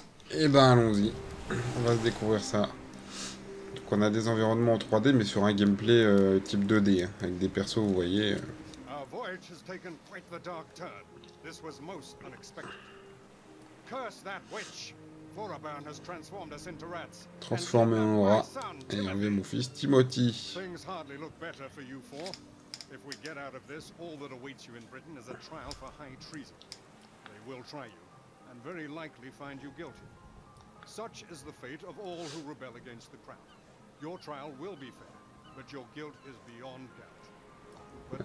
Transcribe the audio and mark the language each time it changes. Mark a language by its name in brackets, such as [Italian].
[French] Et ben allons-y, on va se découvrir ça. Donc on a des environnements en 3D, mais sur un gameplay type 2D, avec des persos, vous voyez. [English] Our voyage has taken quite the dark turn. This was most unexpected. Curse that witch! Vorabern has transformed us into rats. [French] Transformé en rat et enlevé mon fils Timothy. [English] Things hardly look better for you four. If we get out of this, all that awaits you in Britain is a trial for high treason. They will try you, and very likely find you guilty. Such is the fate of all who rebel against the crown. Your trial will be fair, but your guilt is beyond doubt.